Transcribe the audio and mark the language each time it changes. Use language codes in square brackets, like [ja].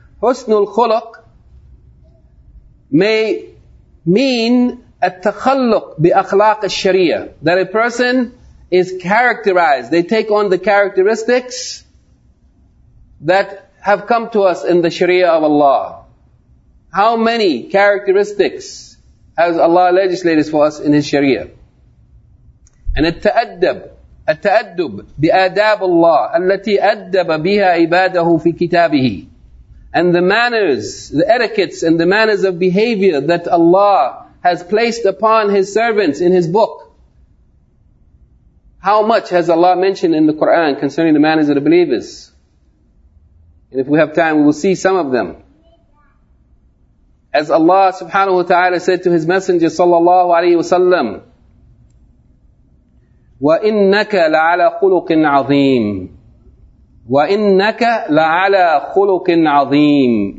[en] Husnul khuluq may mean at-takhalluq bi-akhlaq al-sharia, that a person is characterized. They take on the characteristics that have come to us in the Sharia of Allah. How many characteristics has Allah legislated for us in His Sharia? And [ar] التأدب بأداب الله التي أدب بها عباده في كتابه. [en] And the manners, the etiquettes and the manners of behavior that Allah has placed upon His servants in His book. How much has Allah mentioned in the Quran concerning the manners of the believers? And if we have time, we will see some of them. As Allah subhanahu wa ta'ala said to His Messenger sallallahu alayhi wa sallam, [ar] وَإِنَّكَ لَعَلَى خُلُقٍ عَظِيمٍ وَإِنَّكَ لَعَلَى خُلُقٍ عَظِيمٍ.